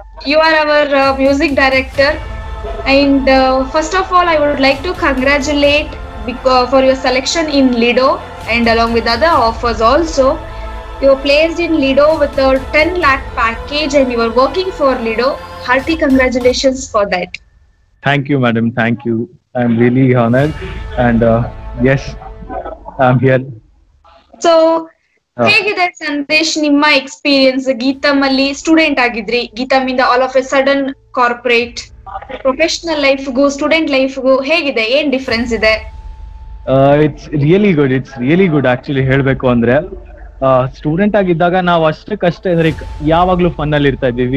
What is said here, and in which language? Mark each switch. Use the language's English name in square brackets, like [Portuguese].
[English] You are our music director, and first of all I would like to congratulate for your selection in Lido and along with other offers also. You are placed in Lido with 10 lakh package and you are working for Lido. Hearty congratulations for that. Thank you madam, thank you. I'm really honored and yes, I'm here. [Kannada] So, ಹೇಗಿದೆ ಸಂದೇಶ್ ನಿಮ್ಮ experience? ಗೀತಂ ಅಲ್ಲಿ student ಆಗಿದ್ರಿ, ಗೀತಂ ಇಂದ [English] all of a sudden [Kannada] corporate professional ಲೈಫ್ಗೂ student ಲೈಫ್ಗೂ ಹೇಗಿದೆ, ಏನ್ difference ಇದೆ? [English] it's really good [Kannada] actually ಹೇಳ್ಬೇಕು ಅಂದ್ರೆ, student ಆಗಿದ್ದಾಗ ನಾವು ಅಷ್ಟಕ್ಕಷ್ಟೇ ಅಂದ್ರೆ ಯಾವಾಗ್ಲೂ ಫನ್ ಅಲ್ಲಿ ಇರ್ತಾ ಇದ್ವಿ.